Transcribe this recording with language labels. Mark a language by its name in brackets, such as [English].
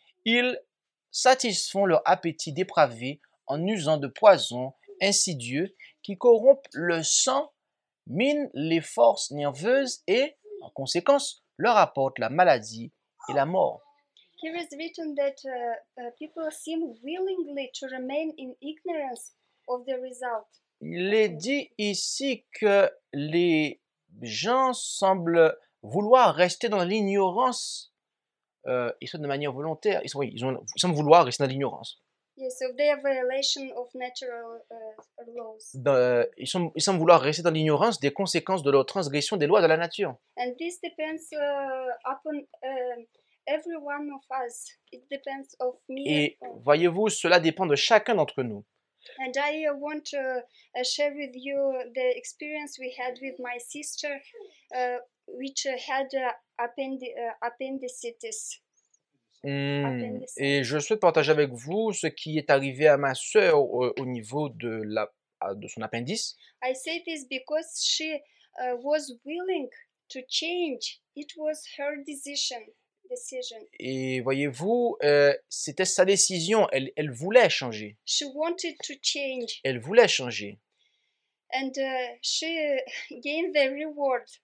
[French] Ils satisfont leur appétit dépravé en usant de poisons insidieux qui corrompent le sang, minent les forces nerveuses et, en conséquence, leur apportent la maladie et la mort. [English] Here is written that people seem willingly to remain in ignorance of the result. [French] Il est dit ici que les gens semblent vouloir rester dans l'ignorance, et ce de manière volontaire. Ils semblent vouloir rester dans l'ignorance. [English] Yes, of their violation of natural laws. [French] Ils semblent vouloir rester dans l'ignorance des conséquences de leur transgression des lois de la nature. [English] And this depends upon every one of us. It depends of me. [French] Et voyez-vous, cela dépend de chacun d'entre nous. [English] And I want to share with you the experience we had with my sister, which had appendicitis. [French] Et je souhaite partager avec vous ce qui est arrivé à ma sœur au niveau de son appendice. [English] I say this because she was willing to change. It was her decision. [French] Et voyez-vous, c'était sa décision. Elle voulait changer. [English] She wanted to change. [French] Elle voulait changer. [English] And she gained the reward.